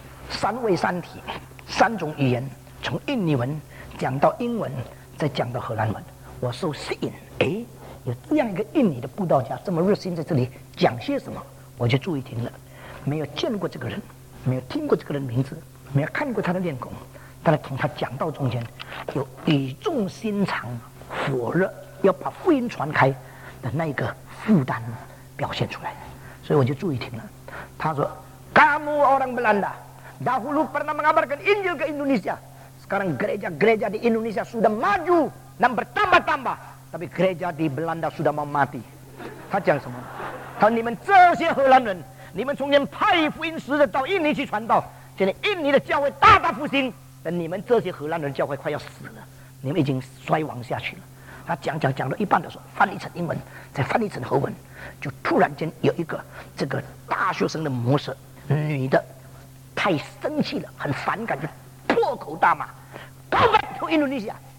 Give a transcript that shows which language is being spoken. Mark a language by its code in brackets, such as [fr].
[zh] 三位三体，三种语言，从印尼文讲到英文，再讲到荷兰文，我受吸引，哎，有这样一个印尼的布道家这么热心在这里讲些什么，我就注意听了。没有见过这个人，没有听过这个人名字，没有看过他的面孔，但是从他讲道中间有语重心长火热要把福音传开的那个负担表现出来，所以我就注意听了。他说 [id] Kamu orang Belanda dahulu pernah mengabarkan Injil ke Indonesia, sekarang gereja-gereja di Indonesia sudah maju dan bertambah-tambah,tapi gereja di Belanda sudah mau mati. [zh] 他讲什么？他说你们这些荷兰人，你们从前派福音使者到印尼去传道，现在印尼的教会大大复兴，但你们这些荷兰人教会快要死了，你们已经衰亡下去了。他讲到一半的时候，翻一层英文，再翻一层荷文，就突然间有一个这个大学生的模式，女的太生气了，很反感，就破口大骂 ： [en] “Go back to Indonesia.